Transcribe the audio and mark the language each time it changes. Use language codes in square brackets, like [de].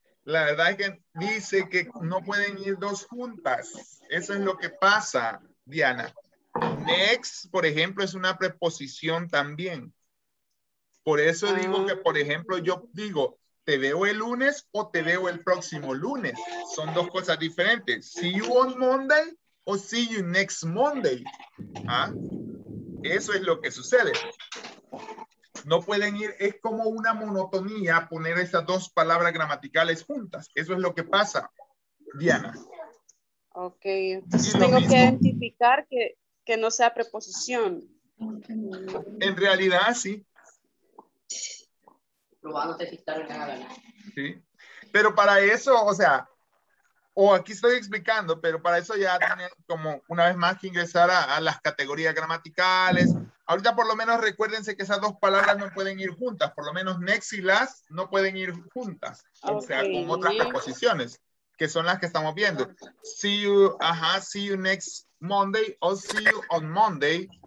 [es] La verdad es que dice que no pueden ir dos juntas. Eso es lo que pasa, Diana. Next, por ejemplo, es una preposición también. Por eso digo que, por ejemplo, yo digo, te veo el lunes o te veo el próximo lunes. Son dos cosas diferentes. [en] See you on Monday o see you next Monday. [es] ¿Ah? Eso es lo que sucede. No pueden ir, es como una monotonía poner esas dos palabras gramaticales juntas. Eso es lo que pasa, Diana. Ok, entonces tengo que identificar que no sea preposición. En realidad, sí. Probándote citar una gana. Sí, pero para eso, o sea, o aquí estoy explicando, pero para eso ya tiene como una vez más que ingresar a las categorías gramaticales. Ahorita por lo menos recuérdense que esas dos palabras no pueden ir juntas. Por lo menos next y last no pueden ir juntas. Okay. O sea, con otras preposiciones, que son las que estamos viendo. [en] See you, see you next Monday or see you on Monday.